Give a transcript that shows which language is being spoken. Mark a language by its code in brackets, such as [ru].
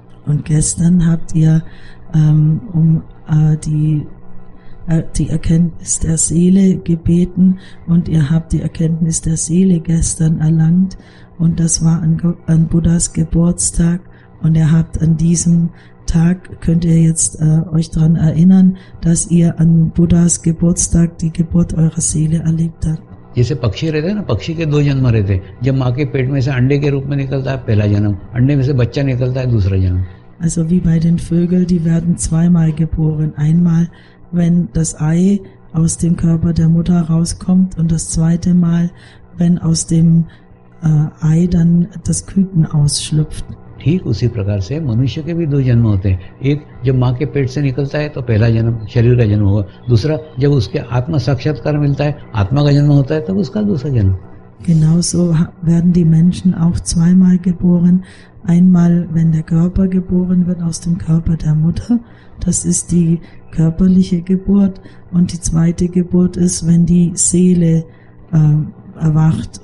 [de] Und gestern habt ihr die Erkenntnis der Seele gebeten und ihr habt die Erkenntnis der Seele gestern erlangt und das war an Buddhas Geburtstag. Und ihr habt an diesem Tag, könnt ihr jetzt euch daran erinnern, dass ihr an Buddhas Geburtstag die Geburt eurer Seele erlebt habt. [hi] जैसे पक्षी रहते हैं ना, पक्षी के दो जन्म रहते हैं, जब माँ के पेट में से अंडे के रूप में निकलता है पहला जन्म, अंडे में से बच्चा निकलता है दूसरा जन्म. [de] Also wie bei den Vögeln, die werden zweimal geboren. Einmal, wenn das Ei aus dem Körper der Mutter rauskommt und das zweite Mal, wenn aus dem Ei dann das Küken ausschlüpft. [hi] ठीक उसी प्रकार से मनुष्य के भी दो जन्म होते हैं एक जब माँ के पेट से निकलता है तो पहला जन्म शरीर का जन्म होगा दूसरा जब उसके आत्म साक्षात्कार मिलता है आत्मा का जन्म होता है तब उसका दूसरा जन्म [de] Genauso werden die Menschen auch zweimal geboren. Einmal, wenn der Körper geboren wird aus dem Körper der Mutter. Das ist die körperliche Geburt. Und die zweite Geburt ist, wenn die Seele erwacht.